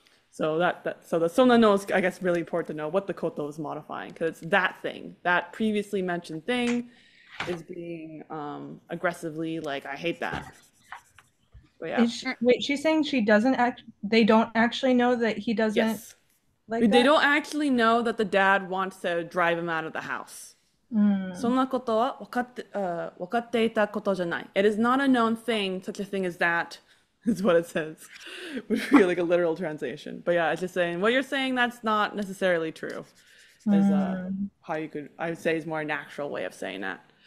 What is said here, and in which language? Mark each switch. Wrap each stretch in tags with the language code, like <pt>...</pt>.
<en>So so the sona no is, I guess, really important to know what the koto is modifying, because it's that thing, that previously mentioned thing, is being aggressively like, I hate that. But yeah. Is she, wait, she's saying she doesn't act, they don't actually know that he doesn't Yes. like They that? don't actually know that the dad wants to drive him out of the house.</en> <ja>そんなことは分かっていたことじゃない。</ja> <en>It is not a known thing, such a thing as that, is what it says. It would be like a literal translation. But yeah, it's just saying, what you're saying, that's not necessarily true, is how you could, I would say, is more a natural way of saying that.</en>